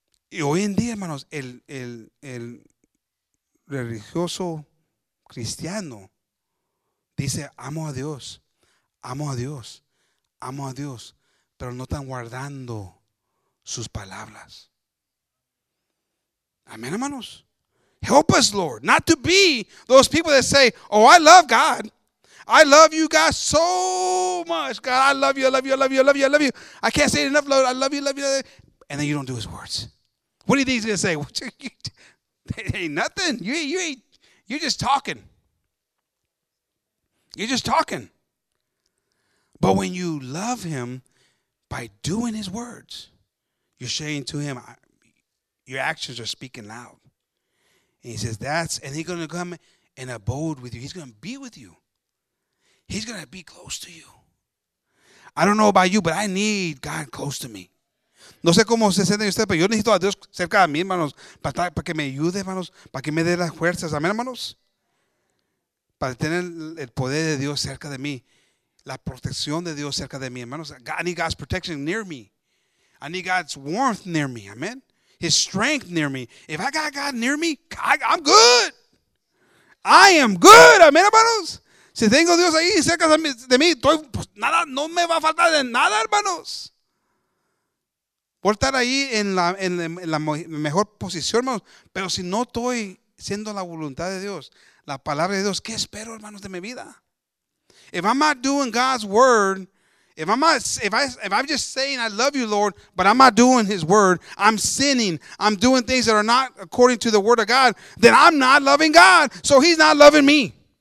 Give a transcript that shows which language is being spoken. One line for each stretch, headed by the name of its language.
Spanish: Y hoy en día, hermanos, el religioso cristiano dice, amo a Dios, amo a Dios, amo a Dios, pero no están guardando sus palabras. Amén, hermanos.
English: Help us, Lord, not to be those people that say, oh, I love God. I love you, God, so much. God, I love you, I love you, I love you, I love you, I love you. I can't say it enough, Lord. I love you, love you, love you. And then you don't do his words. What do you think he's going to say? Ain't nothing. You're just talking. You're just talking. But when you love him by doing his words, you're saying to him, your actions are speaking loud. And he says, and he's going to come and abode with you. He's going to be with you. He's going to be close to you. I don't know about you, but I need God close to me.
Spanish: No sé cómo se siente usted, pero yo necesito a Dios cerca de mí, hermanos, para que me ayude, hermanos, para que me dé las fuerzas. Amén, hermanos. Para tener el poder de Dios cerca de mí. La protección de Dios cerca de mí, hermanos.
English: I need God's protection near me. I need God's warmth near me. Amen. His strength near me. If I got God near me, I'm good. I am good. Amén, hermanos.
Spanish: Si tengo Dios ahí cerca de mí, pues nada, no me va a faltar de nada, hermanos. Voy a estar ahí en la mejor posición, hermanos. Pero si no estoy siendo la voluntad de Dios, la palabra de Dios, ¿qué espero, hermanos, de mi vida?
English: If I'm not doing God's word, if I'm just saying I love you, Lord, but I'm not doing his word, I'm sinning, I'm doing things that are not according to the word of God, then I'm not loving God, so he's not loving me.